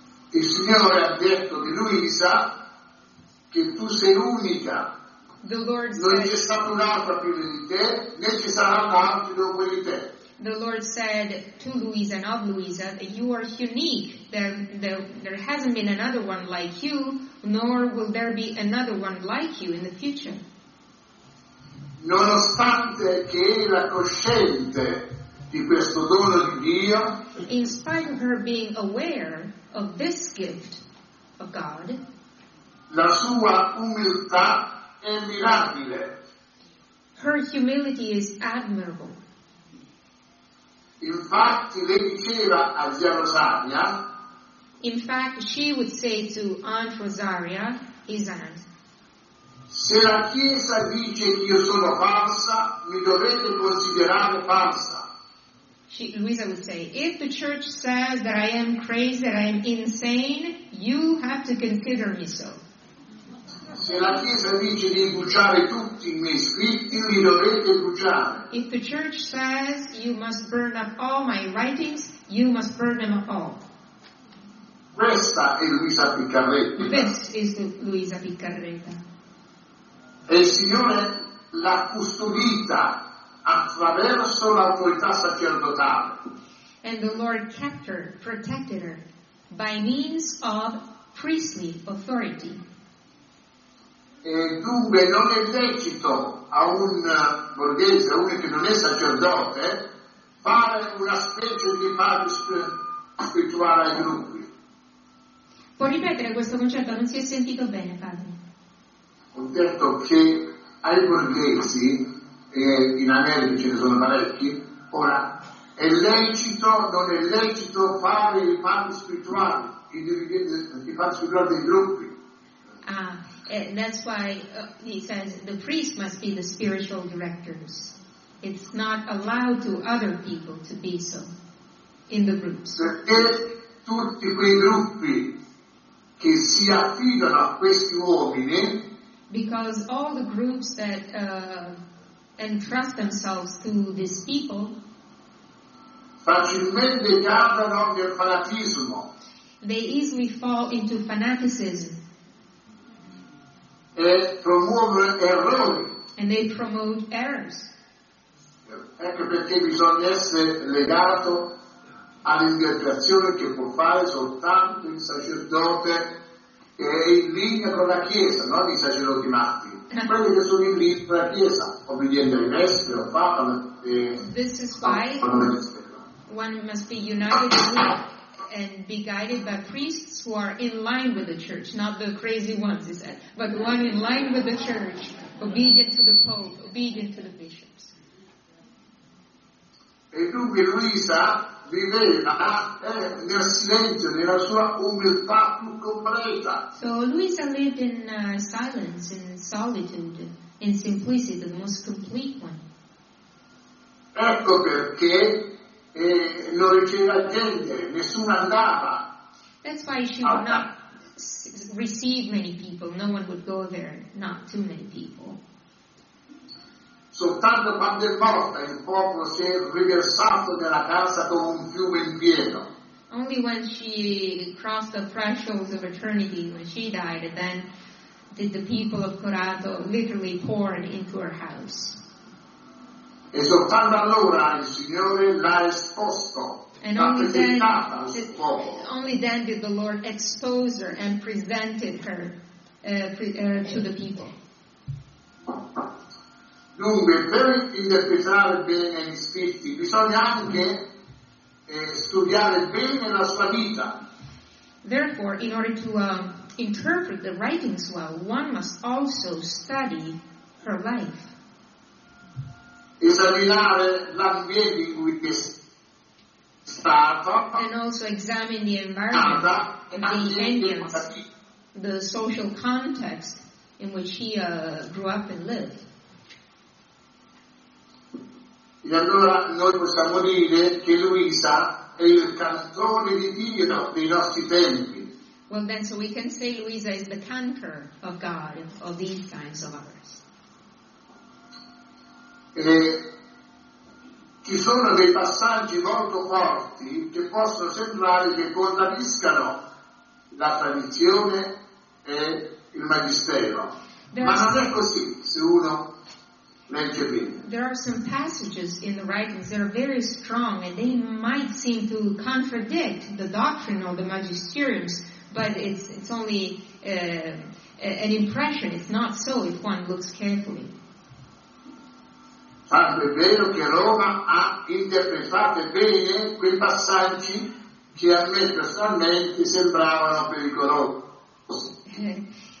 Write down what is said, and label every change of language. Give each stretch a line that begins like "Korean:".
Italian: Il Signore ha detto di Luisa che tu sei unica.
English: The Lord
Italian: non c'è stata un'altra prima di te, né ci sarà un'altra dopo di te.
English: The Lord said to Luisa and of Luisa that you are unique. There hasn't been another one like you, nor will there be another one like you in the future.
Italian: Nonostante che era cosciente di questo dono di Dio,
English: in spite of her being aware of this gift of God,
Italian: la sua umiltà è mirabile.
English: Her humility is admirable.
Italian: Infatti, lei diceva a Zia Rosaria,
English: in fact, she would say to Aunt Rosaria, his aunt,
Italian: se la Chiesa dice che io sono falsa, mi dovete considerare falsa.
English: Luisa would say, if the church says that I am crazy, that I am insane, you have to consider me so.
Italian: Se la Chiesa dice di bruciare tutti i miei scritti, li dovete bruciare.
English: If the church says you must burn up all my writings, you must burn them all.
Italian: Questa è Luisa Piccarreta.
English: This is Luisa Piccarreta.
Italian: E il Signore l'ha custodita attraverso l'autorità sacerdotale.
English: And the Lord kept her, protected her, by means of priestly authority.
Italian: E dunque non è lecito a un borghese, a uno che non è sacerdote, fare una specie di padre spirituale ai gruppi. Puoi ripetere questo concetto? Non si è sentito bene, padre. Ho detto che ai borghesi, in America ce ne sono parecchi, ora, è lecito, non è lecito fare i padri spirituali, i dirigenti spirituali dei gruppi.
English: Ah, that's why he says the priest must be the spiritual directors. It's not allowed to other people to be so in the groups.
Italian: Perché tutti quei gruppi che si affidano a questi uomini,
English: because all the groups that entrust themselves to these people,
Italian: facilmente cadono nel fanatismo.
English: They easily fall into fanaticism.
Italian: E promuovono errori.
English: And they promote errors.
Italian: Ecco perché bisogna essere legato all'interpretazione che può fare soltanto il sacerdote che è in linea con la Chiesa, no? I sacerdoti matti. Quelli che sono in linea con la Chiesa, obbediente ai vescovi, al Papa,
English: this is why one must be united with and be guided by priests who are in line with the church, not the crazy ones, he said, but the one in line with the church, obedient to the Pope, obedient to the bishops.
Italian: E dunque Luisa viveva nel silenzio, nella sua umiltà più completa.
English: So Luisa lived in silence, in solitude, in simplicity, the most complete one.
Italian: Ecco perché non riceveva gente, nessuno andava.
English: That's why she would not receive many people. No one would go there, not too many people.
Italian: Soltanto quando è morta il popolo si è riversato nella casa come un fiume in pieno.
English: Only when she crossed the thresholds of eternity, when she died, then did the people of Corato literally pour into her house.
Italian: E soltanto allora il Signore l'ha esposto.
English: And only then did the Lord expose her and presented her to the people.
Italian: Dunque, per interpretare bene gli scritti, bisogna anche studiare bene la sua vita.
English: Therefore, in order to interpret the writings well, one must also study her life.
Italian: Esaminare l'ambiente in cui è stato.
English: And also examine the environment, the social context in which he grew up and lived.
Italian: E allora noi possiamo dire che Luisa è il cantore di Dio dei nostri tempi.
English: Well then, so we can say Luisa is the cantor of God of these times of ours.
Italian: E ci sono dei passaggi molto forti che possono sembrare che contraddiscano la tradizione e il magistero. Ma non è così, se uno...
English: There are some passages in the writings that are very strong, and they might seem to contradict the doctrine or the magisteriums, but it's only an impression. It's not so if one looks carefully.
Italian: Ah, è vero che Roma ha interpretato bene quei passaggi che a me personalmente sembravano pericolosi.